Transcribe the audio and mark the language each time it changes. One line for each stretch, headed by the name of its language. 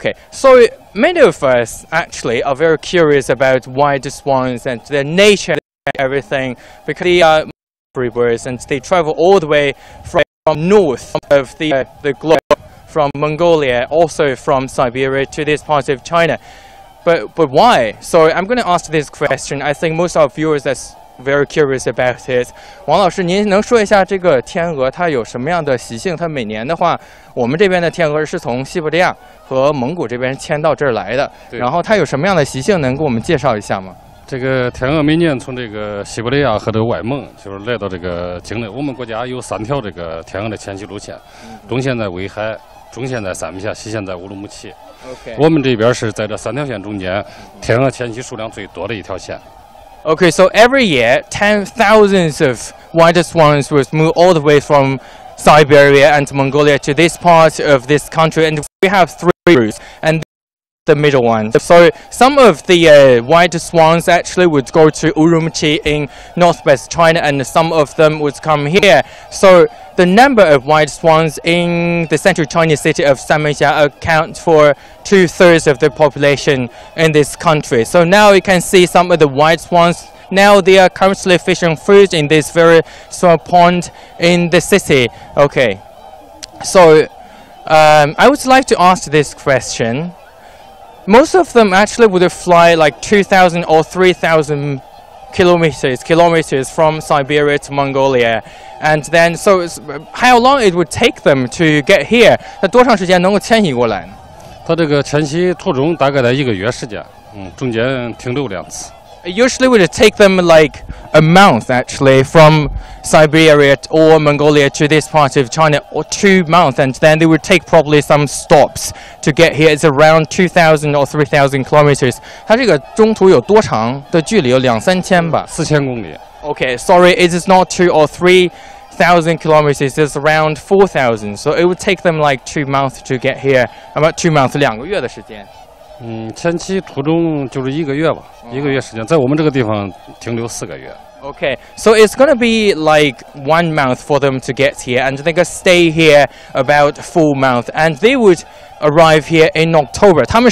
English: So many of us actually are very curious about white swans and their nature and everything, because they are free birds and they travel all the way from north of the globe, from Mongolia, also from Siberia to this part of China. But why? So I'm going to ask this question. I think most of our viewers are very curious about it.
Chinese: 王老师，您能说一下这个天鹅它有什么样的习性？它每年的话，我们这边的天鹅是从西伯利亚和蒙古这边迁到这儿来的。然后它有什么样的习性？能给我们介绍一下吗？这个天鹅每年从这个西伯利亚和这个外蒙，就是来到这个境内。我们国家有三条这个天鹅的迁徙路线，东线在威海，中线在三门峡，西线在乌鲁木齐。
English: Okay.
Chinese: 我们这边是在这三条线中间，天鹅迁徙数量最多的一条线。
English: Okay, so every year, 10,000 of white swans will move all the way from Siberia and Mongolia to this part of this country, and we have three routes. And the middle one. So some of the white swans actually would go to Urumqi in northwest China, and some of them would come here. So the number of white swans in the central Chinese city of Sanmenxia account for 2/3 of the population in this country. So now you can see some of the white swans. Now they are currently fishing fruit in this very small pond in the city. Okay. So I would like to ask this question. Most of them actually would fly like 2,000 or 3,000 kilometers from Siberia to Mongolia. And then, so how long it would take them to get here?
Chinese: 那多长时间能够迁徙过来？它这个迁徙途中大概在一个月时间，中间停留两次。
English: Usually would it take them like a month actually from Siberia or Mongolia to this part of China, or 2 months, and then they would take probably some stops to get here. It's around 2,000 or 3,000 kilometers.
Chinese: 它这个中途有多长的距离？有两三千吧，四千公里。
English: Okay, sorry, it is not 2 or 3,000 kilometers, it's around 4,000. So it would take them like 2 months to get here. About 2 months,
Chinese: 两个月的时间。嗯，迁徙途中就是一个月吧，一个月时间，在我们这个地方停留4个月。
English: Okay, so it's gonna be like 1 month for them to get here, and they're gonna stay here about 4 months, and they would arrive here in October.